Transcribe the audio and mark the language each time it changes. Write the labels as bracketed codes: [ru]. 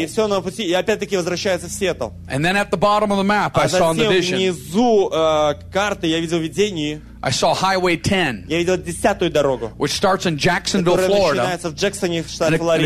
[ru] И все на пути, и опять-таки возвращается в Сиэтл. [en] And then at the bottom of the map, I saw in the vision, [ru] внизу, карты, я видел видение, [en] I saw Highway 10, [ru] я видел десятую дорогу, [en] which starts in Jacksonville, Florida, [ru] начинается в Джексоне, штат Флорида,